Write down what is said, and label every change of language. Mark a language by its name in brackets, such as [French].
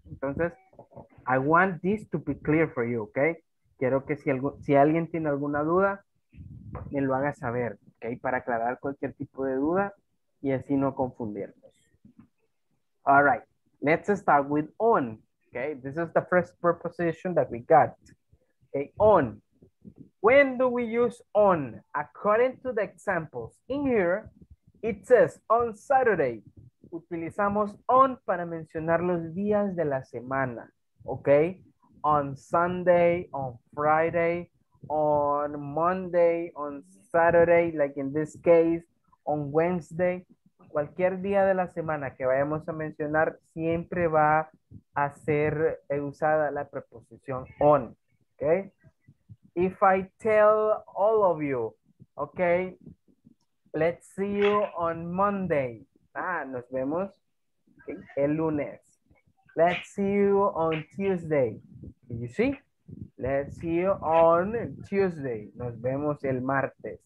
[English] Entonces, I want this to be clear for you, okay? [Spanish] Quiero que si alguien tiene alguna duda, me lo haga saber, ¿ok? Para aclarar cualquier tipo de duda y así no confundirnos. [English] All right, let's start with on, ¿ok? This is the first preposition that we got, ¿ok? On. When do we use on? According to the examples in here, it says on Saturday. [Spanish] Utilizamos on para mencionar los días de la semana, ¿ok? [English] On Sunday, on Friday, on Monday, on Saturday, like in this case, on Wednesday. [Spanish] Cualquier día de la semana que vayamos a mencionar, siempre va a ser usada la preposición on, okay? [English] If I tell all of you, okay, let's see you on Monday. Ah, [Spanish] nos vemos el lunes. [English] Let's see you on Tuesday. You see? Let's see you on Tuesday. [Spanish] Nos vemos el martes.